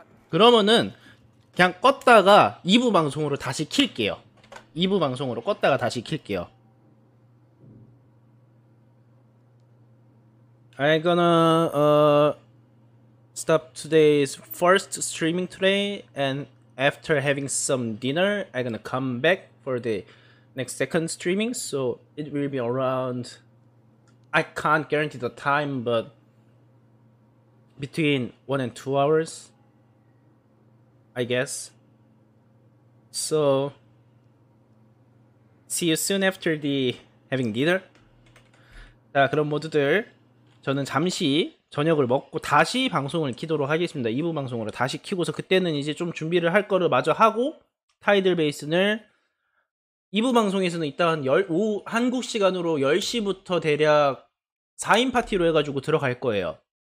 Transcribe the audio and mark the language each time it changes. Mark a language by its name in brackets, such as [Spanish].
[Korean] 그러면은 그냥 껐다가 2부 방송으로 다시 킬게요. 2부 방송으로 껐다가 다시 킬게요. [English] I'm gonna stop today's first streaming today and after having some dinner, I'm gonna come back for the next second streaming. So it will be around, I can't guarantee the time, but between 1 and 2 hours. I guess. So, see you soon after the having dinner. [Korean] 자, 그럼 모두들 저는 잠시 저녁을 먹고 다시 방송을 키도록 하겠습니다. 2부 방송으로 다시 키고서 그때는 이제 좀 준비를 할 거를 마저 하고 타이들 베이슨을 2부 방송에서는 이따 한국 시간으로 10시부터 대략 4인 파티로 해가지고 들어갈 거예요.